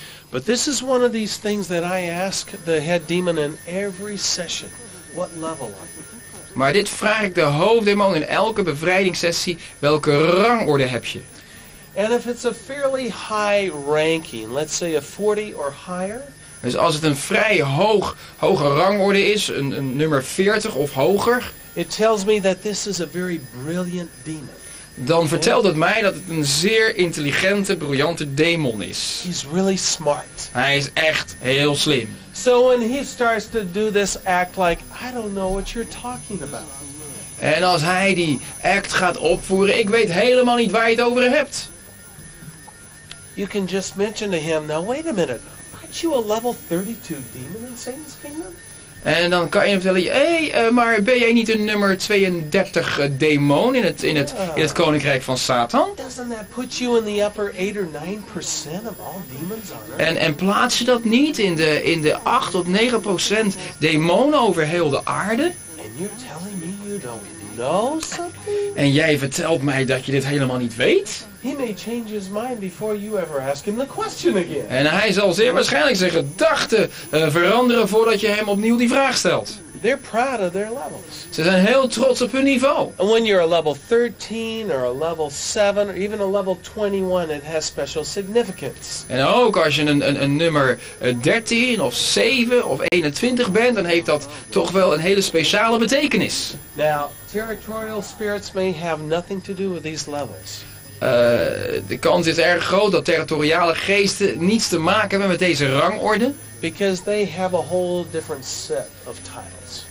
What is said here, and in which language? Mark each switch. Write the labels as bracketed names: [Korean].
[English] But this is one of these things that I ask the head demon in every session. What level are you? [Dutch] Maar dit vraag ik de hoofddemon in elke bevrijdingssessie. Welke rangorde heb je? [English] And if it's a fairly high ranking, let's say a 40 or higher. [Dutch] Dus als het een vrij hoge rangorde is, een nummer 40 of hoger. [English] It tells me that this is a very brilliant demon. [Dutch] Dan vertelt het mij dat het een zeer intelligente, briljante demon is. [English] He's really smart. [Dutch] Hij is echt heel slim. [English] So when he starts to do this act like, I don't know what you're talking about. [Dutch] En als hij die act gaat opvoeren, ik weet helemaal niet waar je het over hebt. [English] You can just mention to him, now wait a minute, aren't you a level 32 demon in Satan's kingdom? [Dutch] En dan kan je hem vertellen, maar ben jij niet een nummer 32 demon in het koninkrijk van Satan? [English] Doesn't that put you in the upper 8 or 9% of all demons on earth? [Dutch] En plaats je dat niet in de 8 tot 9% demonen over heel de aarde? [English] And you're telling me you don't know something? [Dutch] En jij vertelt mij dat je dit helemaal niet weet? [English] He may change his mind before you ever ask him the question again. [Dutch] En hij zal zeer waarschijnlijk zijn gedachten veranderen voordat je hem opnieuw die vraag stelt. [English] They're proud of their levels. [Dutch] Ze zijn heel trots op hun niveau. [English] And when you're a level 13 or a level 7 or even a level 21, it has special significance. [Dutch] En ook als je een nummer 13 of 7 of 21 bent, dan heeft dat toch wel een hele speciale betekenis. [English] Now, territorial spirits may have nothing to do with these levels. [Dutch] De kans is erg groot dat territoriale geesten niets te maken hebben met deze rangorde. [English] Because they have a whole different set of titles.